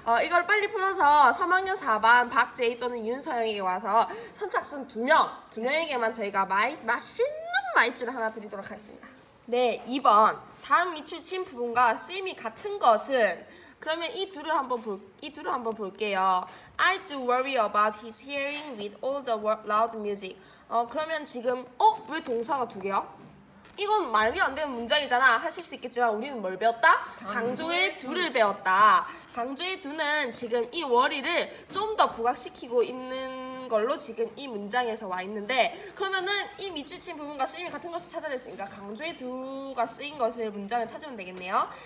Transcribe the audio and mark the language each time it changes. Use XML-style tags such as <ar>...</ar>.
<ko>이걸 빨리 풀어서 3학년 4반 박제이 또는 윤서영에게 와서 선착순 2명에게만 저희가 맛있는 마이쮸를 하나 드리도록 하겠습니다. 네, 2번. 다음 밑줄 친 부분과 쓰임이 같은 것은 그러면 이 둘을 한번 볼게요.</ko> <en>I do worry about his hearing with all the loud music.</en> <ko>그러면 지금 왜 동사가 두 개야? 이건 말이 안 되는 문장이잖아 하실 수 있겠지만 우리는 뭘 배웠다? 강조의 두를 배웠다. 강조의 두는 지금 이 worry를 좀 더 부각시키고 있는 걸로 지금 이 문장에서 와 있는데 그러면은 이 밑줄 친 부분과 쓰임이 같은 것을 찾아냈으니까 강조의 두가 쓰인 것을 문장을 찾으면 되겠네요.</ko>